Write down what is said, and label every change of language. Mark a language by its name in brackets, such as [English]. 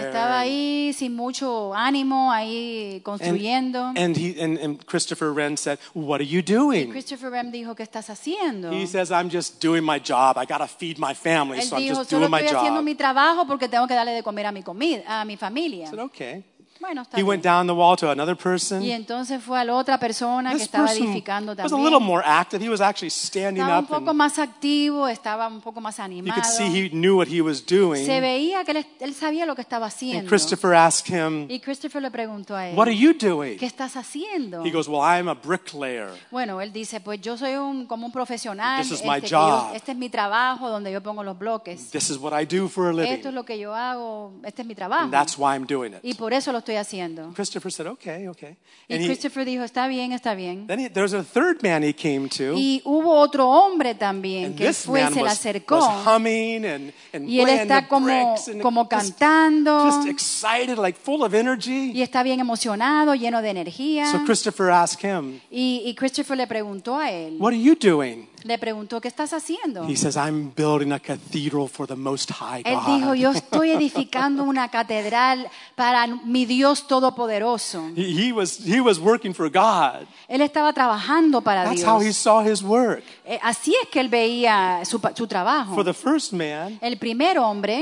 [Spanish] Y estaba ahí sin mucho ánimo ahí construyendo. [English] And Christopher Wren said, "What are you doing?" [Spanish] Y Christopher Wren dijo, "¿Qué estás haciendo?" [English] He says, "I'm just doing my job. I gotta feed my family, [Spanish] él [English] so [Spanish] dijo, [English] I'm just [Spanish] solo [English] doing [Spanish] estoy [English] my [Spanish] haciendo [English] job. [Spanish] Mi trabajo porque tengo que darle de comer a mi comida, a mi familia." [English] Said, "Okay." [Spanish] Bueno, [English] he went down the wall to another person. [Spanish] Y entonces fue a la otra persona [English] this [Spanish] que estaba edificando también. [English] Was a little more active. He was actually standing [Spanish] estaba [English] up. [Spanish] Estaba un poco más activo, estaba un poco más animado. [English] You could see he knew what he was doing. [Spanish] Se veía que él sabía lo que estaba haciendo. [English] And Christopher asked him. [Spanish] Y Christopher le preguntó a él. [English] What are you doing? [Spanish] ¿Qué estás haciendo? [English] He goes, "Well, I'm a bricklayer." [Spanish] Bueno, él dice, pues yo soy como un profesional. [English] This is my job. [Spanish] Este es mi trabajo donde yo pongo los bloques. [English] This is what I do for a living. [Spanish] Esto es lo que yo hago. Este es mi trabajo. [English] And that's why I'm doing it. [Spanish] Y por eso estoy haciendo. [English] Christopher said, okay. [Spanish] And Christopher dijo, está bien, está bien. [English] Then there was a third man he came to. [Spanish] Y hubo otro hombre también que fue, se le acercó. [English] And this man was humming and [Spanish] y él está como cantando. [English] Just excited, like full of energy. [Spanish] Y está bien emocionado, lleno de energía. [English] So Christopher asked him. [Spanish] Y Christopher le preguntó a él. [English] What are you doing? [Spanish] Le preguntó, ¿qué estás haciendo? [English] He says, "I'm building a cathedral for the Most High God." [Spanish] Él dijo, yo estoy edificando una catedral para mi Dios Todopoderoso. [English] He was working for God. [Spanish] Él estaba trabajando para [English] That's [Spanish] Dios. [English] That's how he saw his work. [Spanish] Así es que él veía su trabajo. [English] For the first man, [Spanish] el primer hombre,